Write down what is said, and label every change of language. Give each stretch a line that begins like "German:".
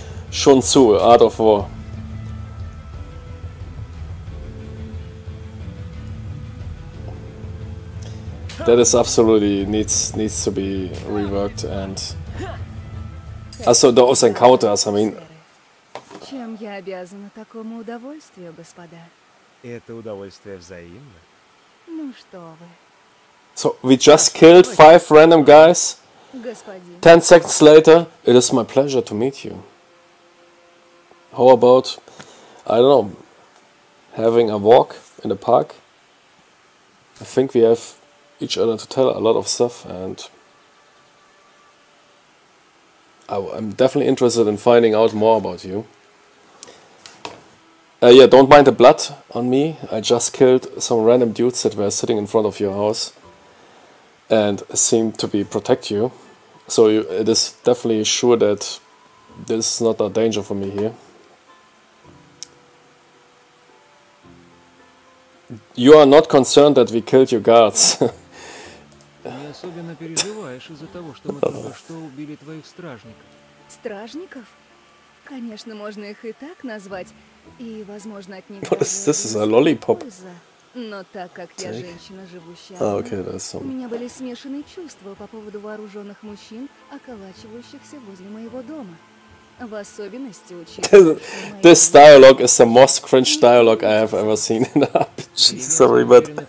English: Shun Tzu, Art of War. That is absolutely needs to be reworked, and also those encounters, I mean.
Russian: Чем я обязана такому удовольствию, господа? Это удовольствие взаимно. Ну что вы?
English: So we just killed 5 random guys. 10 seconds later, it is my pleasure to meet you. How about, I don't know, having a walk in the park? I think we have each other to tell a lot of stuff, and I'm definitely interested in finding out more about you. Yeah, don't mind the blood on me. I just killed some random dudes that were sitting in front of your house and seem to be protect you, so it is definitely sure that this is not a danger for me here. You are not concerned that we killed your guards.
Russian: Не особенно переживаешь из-за того, что мы только что убили твоих стражников. Стражников? Конечно, можно их и так назвать, и, возможно, от них...
English: This is a lollipop.
Russian: Но так как я женщина, живущая... У меня были смешанные чувства по поводу вооруженных мужчин, околачивающихся возле моего дома. В особенности учитывая...
English: This dialogue is the most cringe dialogue I have ever seen in RPG. Sorry, but...